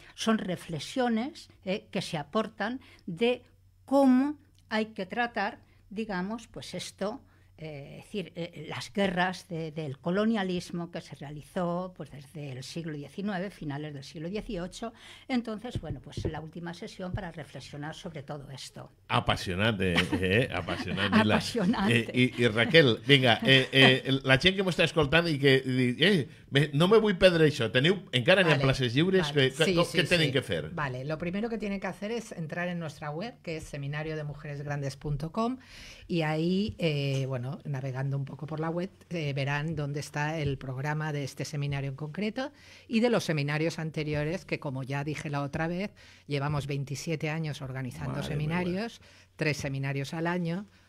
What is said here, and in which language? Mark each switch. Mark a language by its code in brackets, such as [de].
[es] Son reflexiones que se aportan de cómo hay que tratar, digamos, pues esto, las guerras del colonialismo que se realizó pues desde el siglo XIX, finales del siglo XVIII. Entonces, bueno, pues la última sesión para reflexionar sobre todo esto. Apasionante, apasionante. Apasionante. Y Raquel, venga, [ca] la gent que m'ho està escoltant i que no me vull perdre això, teniu encara vale, ni en places lliures, vale. Què tenen que fer? [es] Vale, lo primero que tienen que hacer es entrar en nuestra web, que es seminariodemujeresgrandes.com, y ahí, bueno, navegando un poco por la web, verán dónde está el programa de este seminario en concreto y de los seminarios anteriores, que como ya dije la otra vez, llevamos 27 años organizando madre seminarios, tres seminarios al año,